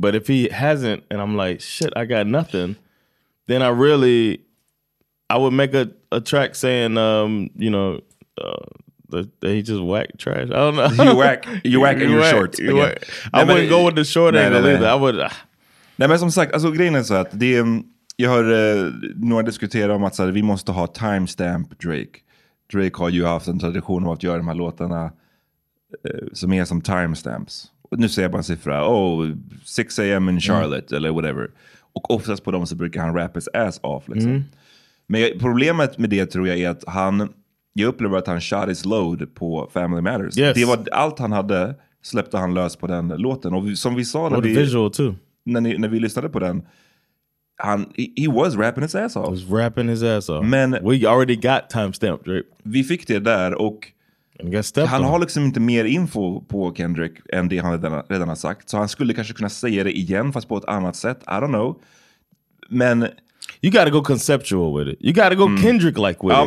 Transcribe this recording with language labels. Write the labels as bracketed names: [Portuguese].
[English] But if he hasn't, and I'm like, shit, I got nothing, then I would make a track saying, that he just whack trash. I don't know. You whack in your shorts. I wouldn't go with the short angle either. I would. [Swedish] Nej, men som sagt, alltså grejen är så att jag har några diskuterat om att så här, vi måste ha timestamp Drake. Drake har ju haft en tradition av att göra de här låtarna som är som timestamps. Nu säger jag bara en siffra. [English] 6 a.m. in Charlotte [Swedish] eller whatever. Och oftast på dem så brukar han [English] rap his ass off. [Swedish] Liksom. Mm. Men problemet med det tror jag är att jag upplever att han [English] shot his load [Swedish] på Family Matters. [English] Yes. [Swedish] Det var allt han hade släppte han lös på den låten. Och som vi sa när vi lyssnade på den. [English] He was rapping his ass off. [Swedish] Men [English] we already got timestamped, right? [Swedish] Vi fick det där och han har liksom inte mer info på Kendrick än det han redan har sagt. Så han skulle kanske kunna säga det igen fast på ett annat sätt. [English] I don't know. [Swedish] Men [English] you gotta go conceptual with it. You gotta go Kendrick-like with it.